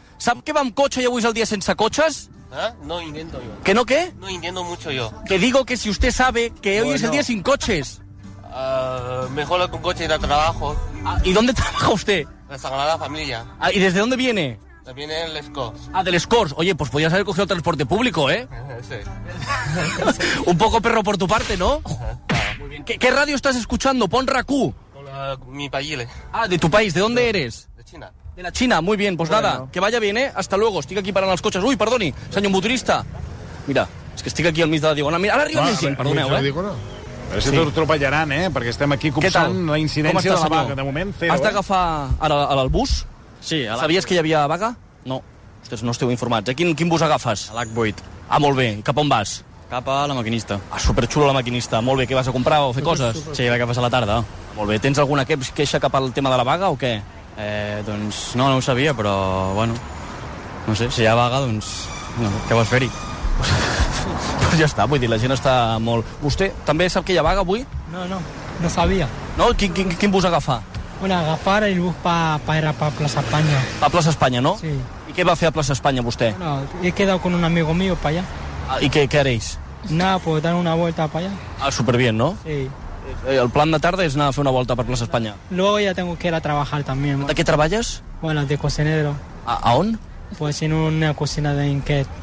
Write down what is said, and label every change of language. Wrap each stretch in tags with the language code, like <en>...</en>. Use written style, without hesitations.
<ca>Sap que va amb cotxe i avui és el dia sense cotxes?</ca> <es>No entiendo yo. ¿Que no qué? No entiendo mucho yo. Que digo que si usted sabe que hoy es el día sin coches. Mejor con coche ir a trabajo. Ah, ¿y dónde trabaja usted? La Sagrada Familia. Ah, ¿y desde dónde viene? Viene del Escorts. Ah, del Escorts. Oye, pues podrías haber cogido transporte público, ¿eh? Sí. Un poco perro por tu parte, ¿no? Muy bien. ¿Qué radio estás escuchando? Pon Rakú. Mi país. Ah, ¿de tu país? ¿De dónde eres? De China. De la China, muy bien, pues bueno. Nada, que vaya bien, ¿eh? Hasta luego,</es> <ca>estic aquí parant els cotxes. Ui, perdoni, senyor motorista. Mira, és que estic aquí al mig de la Diagonal. Mira, ara arriba més gent, perdoneu, eh? No. A veure si t'atropellaran, eh? Perquè estem aquí copsant la incidència de la vaga. De moment, zero. Has d'agafar ara el bus? Sí. Sabies que hi havia vaga? No. Ostres, no esteu informats, eh? Quin bus agafes? A l'H8. Ah, molt bé. Cap on vas? Cap a la Maquinista. Ah, superxulo la Maquinista. Molt bé, què vas a comprar o fer coses? Sí, la que fas a la tarda. Molt bé, tens alguna queixa cap al tema de la vaga o què? Doncs no ho sabia, però bueno, no sé, si hi ha vaga, doncs no, què vols fer-hi? Pues ja està, vull dir, la gent està molt... Vostè també sap que hi ha vaga avui? No sabia. No? Quin bus agafar? Bueno, agafar el bus per Plaça Espanya. A Plaça Espanya, no? Sí. I què va fer a Plaça Espanya, vostè?</ca> <es>No,</es> <ca>he quedat</ca> <es>con un amigo mío para allá.</es> <ca>Ah, i què haréis?</ca> <es>Anar, pues, dar una vuelta para allá. Ah, superbien, no? Sí.</es> <ca>El plan de tarda és anar a fer una volta per Plaça Espanya.</ca> <es>Luego ya tengo que ir a trabajar también.</es> <ca>De què treballes?</ca> <es>Bueno, de cocinero.</es> <ca>A on?</ca> <es>Pues en una cocina de Inquet.</es>